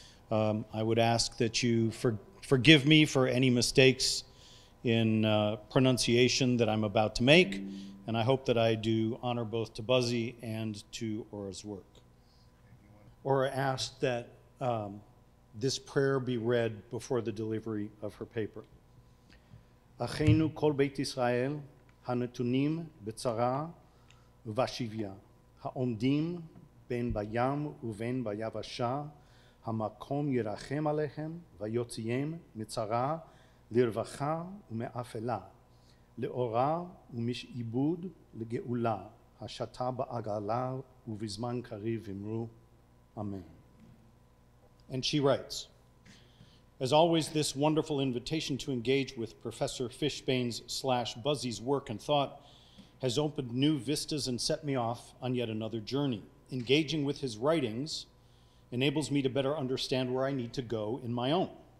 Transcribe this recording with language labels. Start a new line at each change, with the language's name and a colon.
English: I would ask that you forgive me for any mistakes in pronunciation that I'm about to make, and I hope that I do honor both to Buzzy and to Ora's work. Ora asked that this prayer be read before the delivery of her paper.
Hebrew: Achenu kol beit Yisrael hanetunim betzara uvashivya haomdim ben bayam uven bayavasha המקום ירחם עליהם ויוציאם מצרה לרווחה ומאפלה, לאורה ומשעיבוד לגאולה, השתה בעגלה ובזמן קריב אמרו, אמן.
English: And she writes, as always, this wonderful invitation to engage with Professor Fishbane's / Buzzy's work and thought has opened new vistas and set me off on yet another journey. Engaging with his writings enables me to better understand where I need to go in my own.